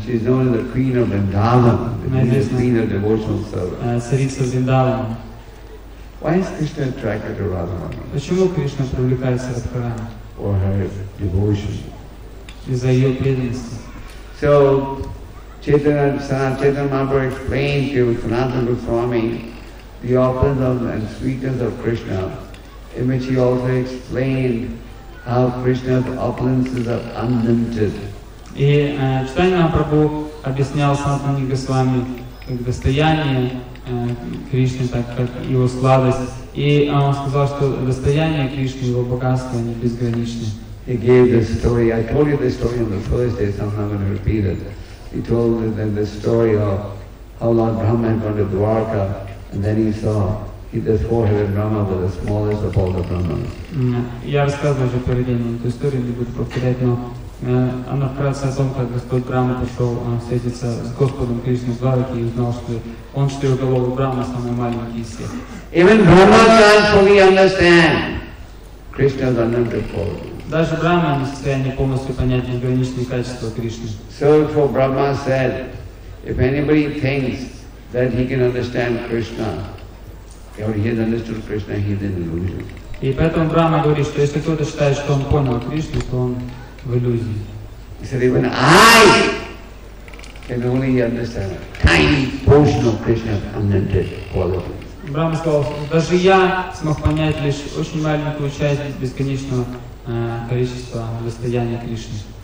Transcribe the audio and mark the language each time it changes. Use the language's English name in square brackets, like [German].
[English] She is known as the queen of Vrindavan. Queen of devotional service. [Russian] Царица Вриндавана. [English] Why is Krishna attracted to Radharani? [Russian] Почему Кришна привлекается Радхарани? [English] For her devotion. [Russian] Из-за ее преданности. [English] So, Chaitanya Mahaprabhu explained to Sanatana Goswami the opulence and sweetness of Krishna, in which he also explained how Krishna's opulences are unlimited. [Russian] И Chaitanya Mahaprabhu объяснял Sanatana Goswami достояние Кришны, так как его сладость. И он сказал, что достояние Кришны, его богатство, они безграничны. [English] He gave this story. I told you this story on the first day, so I'm not going to repeat it. He told them the story of how Lord Brahma had gone to Dwarka, and then he saw the four-headed Brahma was the smallest of all the Brahmas. [Russian] Я рассказывал уже перед ним эту историю, не буду повторять, но она вкратце о том, как Господь Брама пошел встретиться с Господом Кришной в Дварке и узнал, что он четырехголовый Брама самый маленький из всех. [English] Even Brahma can't fully understand Krishna's unlimited qualities. [Russian] Даже Брама не в состоянии полностью понять безграничные качества Кришны. [English] So for Brahma said, if anybody thinks that he can understand Krishna, or he has understood Krishna, he is in illusion. [Russian] И поэтому Брама говорит, что если кто-то считает, что он понял Кришну, то он в иллюзии. [English] He said, even I can only understand a tiny portion of Krishna's unlimited quality. [Russian] Брама сказал, даже я смог понять лишь очень маленькую часть бесконечного количество достояния Кришны.